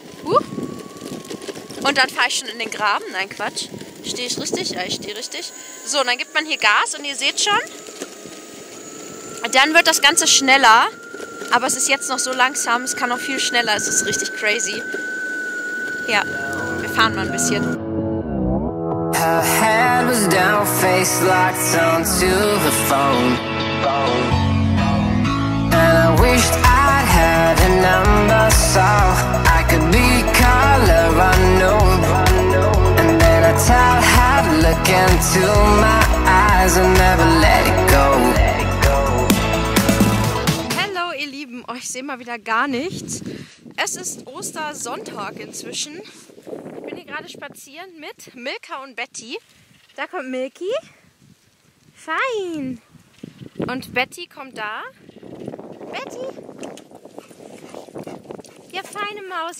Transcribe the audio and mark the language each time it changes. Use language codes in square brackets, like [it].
[de] Und dann fahre ich schon in den Graben. Nein, Quatsch. Stehe ich richtig? Ja, ich stehe richtig. So, und dann gibt man hier Gas und ihr seht schon, dann wird das Ganze schneller. Aber es ist jetzt noch so langsam. Es kann noch viel schneller. Es ist richtig crazy. Ja, wir fahren mal ein bisschen. [en] Her head was down, face locked onto the phone. And I wished I'd had a number so I could be color unknown. And then I tell her to look into my eyes and never let it go. [de] Hello, ihr Lieben, ich sehe mal wieder gar nichts. Es ist Ostersonntag inzwischen. Ich bin hier gerade spazieren mit Milka und Betty. Da kommt Milky. Fein. Und Betty kommt da. Betty. Ja, feine Maus.